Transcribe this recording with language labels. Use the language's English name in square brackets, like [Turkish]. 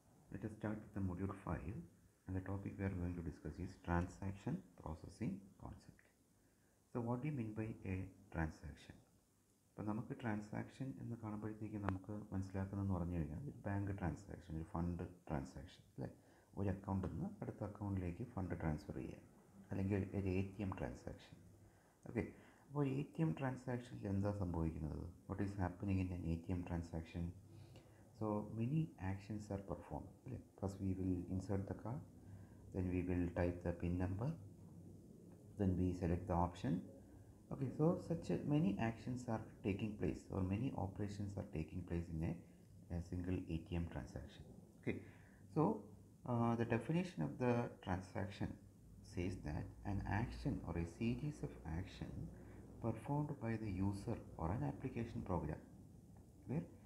[English] Let us start with the module 5, and the topic we are going to discuss is transaction processing concept. So what do you mean by a transaction? [Malayalam] ഇപ്പോൾ നമുക്ക് transaction എന്ന് കാണുമ്പോഴത്തേക്ക് നമുക്ക് മനസ്സിലാക്കുന്നതെന്ന് പറഞ്ഞു കഴിഞ്ഞാൽ ഒരു bank transaction, ഒരു fund transaction അല്ലേ, ഒരു അക്കൗണ്ടിൽ നിന്ന് അടുത്ത അക്കൗണ്ടിലേക്ക് ഫണ്ട് ട്രാൻസ്ഫർ ചെയ്യുക, അല്ലെങ്കിൽ ഒരു A T M transaction. Okay, അപ്പോൾ എ ടി എം ട്രാൻസാക്ഷനിൽ എന്താ സംഭവിക്കുന്നത്? [English] What is happening in A T M transaction? So many actions are perform അല്ലേ. First we will insert the card, then we will type the PIN number, then we select the option. Okay, so such many actions are taking place or many operations are taking place in a single ATM transaction. Okay, so the definition of the transaction says that an action or a series of action performed by the user or an application program. Clear?